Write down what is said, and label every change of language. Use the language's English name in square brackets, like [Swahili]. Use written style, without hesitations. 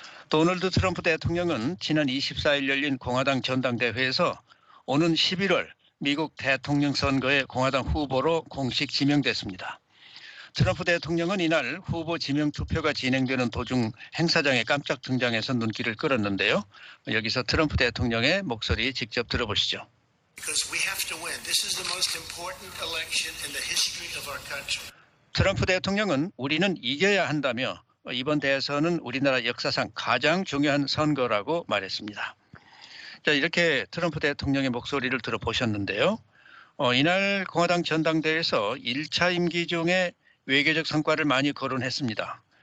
[Korean] 도널드 트럼프 대통령은 지난 24일 열린 공화당 전당대회에서 오는 11월 미국 대통령 선거의 공화당 후보로 공식 지명됐습니다. 트럼프 대통령은 이날 후보 지명 투표가 진행되는 도중 행사장에 깜짝 등장해서 눈길을 끌었는데요. 여기서 트럼프 대통령의 목소리 직접 들어보시죠. [English] Because we have to win. This is the most important election in the history of our country. [Korean] 트럼프 대통령은 우리는 이겨야 한다며 이번 대선은 우리나라 역사상 가장 중요한 선거라고 말했습니다. 자, 이렇게 트럼프 대통령의 목소리를 들어보셨는데요. 이날 공화당 전당대회에서 1차 임기 중에 외교적 성과를 많이 거론했습니다.